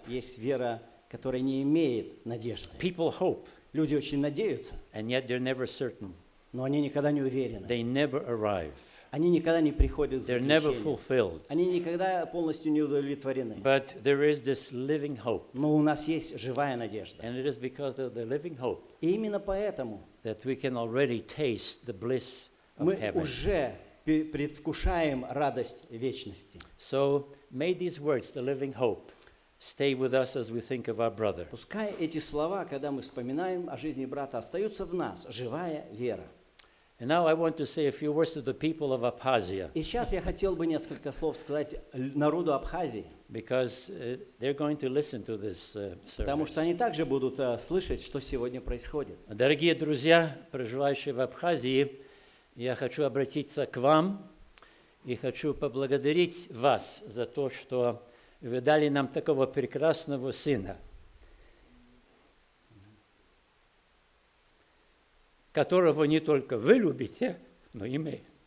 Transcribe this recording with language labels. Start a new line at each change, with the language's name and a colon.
Russian: Есть вера, которая не имеет надежды.
English: People hope.
Russian: Люди очень надеются.
English: And yet they're never certain.
Russian: Но они никогда не уверены.
English: They never arrive.
Russian: Они никогда не приходят к заключению.
English: They're never fulfilled.
Russian: Они никогда полностью не удовлетворены.
English: But there is this living hope.
Russian: Но у нас есть живая надежда.
English: And it is because of the living hope.
Russian: И именно поэтому
English: that we can already taste the bliss of
Russian: мы
English: heaven.
Russian: Уже предвкушаем радость вечности.
English: So may these words, the living hope, stay with us as we think of our brother.
Russian: Пускай эти слова, когда мы вспоминаем о жизни брата, остаются в нас, живая вера.
English: And now I want to say a few words to the people of Abkhazia.
Russian: И сейчас я хотел бы несколько слов сказать народу Абхазии.
English: Because they're going to listen to this service.
Russian: Потому что они также будут слышать, что сегодня происходит. Дорогие друзья, проживающие в Абхазии, я хочу обратиться к вам и хочу поблагодарить вас за то, что вы дали нам такого прекрасного сына, которого не только вы любите, но и мы.